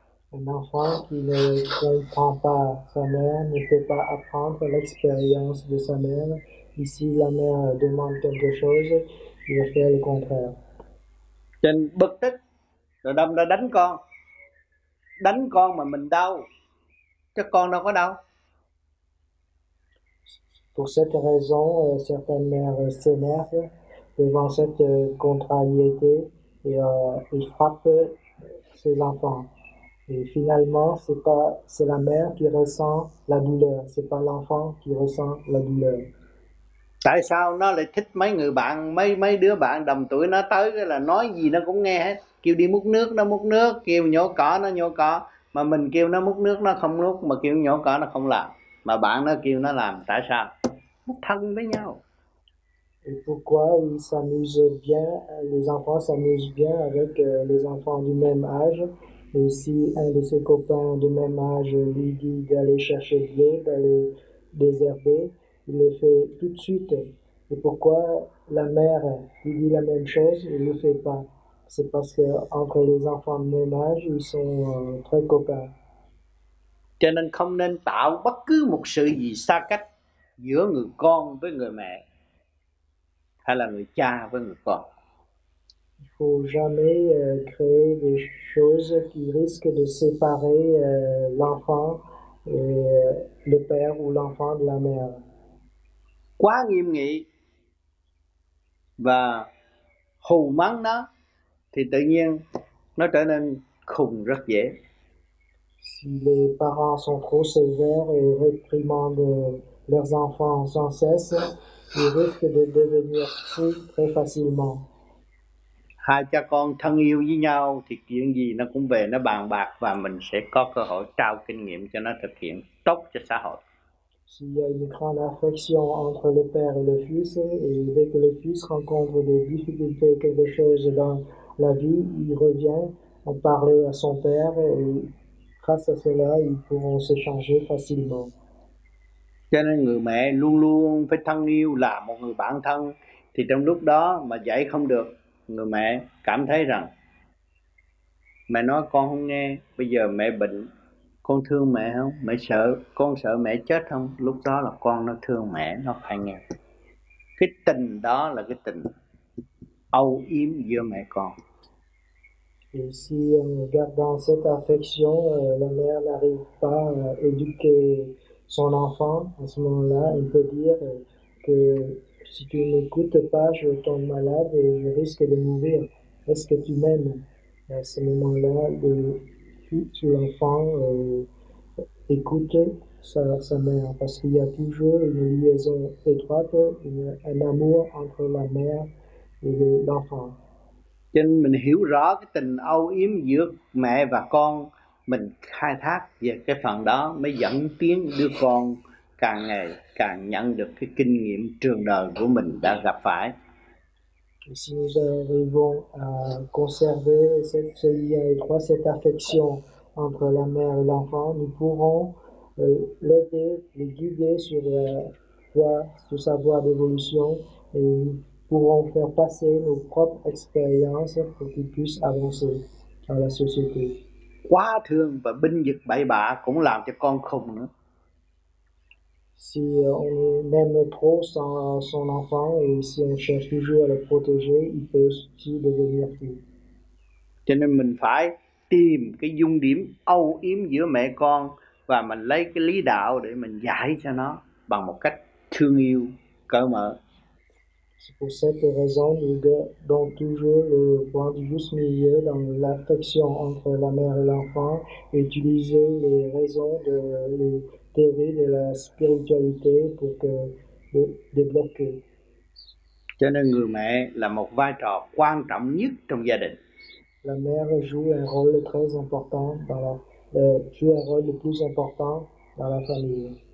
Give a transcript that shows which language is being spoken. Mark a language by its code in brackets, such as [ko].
[fr] Un enfant qui ne comprend pas sa mère ne peut pas apprendre l'expérience de sa mère. Et si la mère demande quelque chose, il va faire le contraire. [vi] Trình bực tức rồi đâm ra đánh con, đánh con mà mình đau chứ con đâu có đau. [fr] Pour cette raison, certaines mères s'énervent devant cette contrariété et frappent ses enfants. Et finalement, c'est la mère qui ressent la douleur, c'est pas l'enfant qui ressent la douleur. [vi] Tại sao nó lại thích mấy người bạn, mấy mấy đứa bạn đồng tuổi nó tới là nói gì nó cũng nghe hết, kêu đi múc nước nó múc nước, kêu nhổ cỏ nó nhổ cỏ, mà mình kêu nó múc nước nó không múc, mà kêu nhổ cỏ nó không làm, mà bạn nó kêu nó làm, tại sao? Nó thân với nhau. [fr] Et pourquoi ils s'amusent bien, les enfants s'amusent bien avec les enfants du même âge? Et si un de ses copains de même âge lui dit d'aller chercher de l'eau, d'aller désherber, il le fait tout de suite. Et pourquoi la mère lui dit la même chose, il ne le fait pas? C'est parce qu'entre les enfants de même âge, ils sont très copains. [vi] Cho nên không nên tạo bất cứ một sự gì xa cách giữa người con với người mẹ hay là người cha với người con. [fr] Faut jamais créer des choses qui risquent de séparer l'enfant et le père ou l'enfant de la mère. [vi] Quá nghiêm nghị và hù mắng nó thì tự nhiên nó trở nên khùng rất dễ. [fr] Si les parents sont trop sévères et réprimandent leurs enfants sans cesse, ils risquent de devenir fous très facilement. [vi] hai cha con thân yêu với nhau thì chuyện gì nó cũng về nó bàn bạc và mình sẽ có cơ hội trao kinh nghiệm cho nó thực hiện tốt cho xã hội. [fr] S'il y a une grande affection entre le père et le fils, et dès que le fils rencontre des difficultés, quelque chose dans la vie, il revient en parler à son père, et grâce à cela, ils pourront s'échanger facilement. [vi] Cho nên người mẹ luôn luôn phải thân yêu là một người bạn thân, thì trong lúc đó mà dạy không được, người mẹ cảm thấy rằng mẹ nói con không nghe, bây giờ mẹ bệnh, con thương mẹ không? Mẹ sợ, con sợ mẹ chết không? Lúc đó là con nó thương mẹ, nó phải nghe. Cái tình đó là cái tình âu yếm giữa mẹ con. [fr] Et si en gardant cette affection, la mère n'arrive pas à éduquer son enfant, à ce moment-là, il peut dire que si tu n'écoutes pas, je tombe malade et je risque de mourir. Est-ce que tu m'aimes? À ce moment-là, le sur l'enfant écoute sa mère parce qu'il y a toujours une liaison étroite, un amour entre la mère et l'enfant. [vi] Cho nên mình hiểu rõ cái tình âu yếm giữa mẹ và con, mình khai thác về cái phần đó mới dẫn tiến đứa con càng ngày càng nhận được cái kinh nghiệm trường đời của mình đã gặp phải. [fr] Si nous arrivons à conserver ce lien étroit, cette affection entre la mère et l'enfant, nous pourrons l'aider, le guider sur la voie, sur sa voie d'évolution, et nous pourrons faire passer nos propres expériences pour qu'il puisse avancer dans la société. [vi] Quá thương và binh vực bậy bạ cũng làm cho con khùng nữa. [fr] Si on aime trop son enfant et si on cherche toujours à le protéger, il peut aussi devenir fou. [vi] Cho nên mình phải tìm cái dung điểm âu yếm giữa mẹ con và mình lấy cái lý đạo để mình giải cho nó bằng một cách thương yêu, cởi mở. [fr] C'est pour cette raison que dans toujours le point du juste milieu dans l'affection entre la mère et l'enfant, utiliser les raisons de les théories de la spiritualité pour que de débloquer. [vi] Cho nên người mẹ là một vai trò quan trọng nhất trong gia đình. [fr] La mère joue un rôle très important dans la joue un rôle le plus important dans la famille.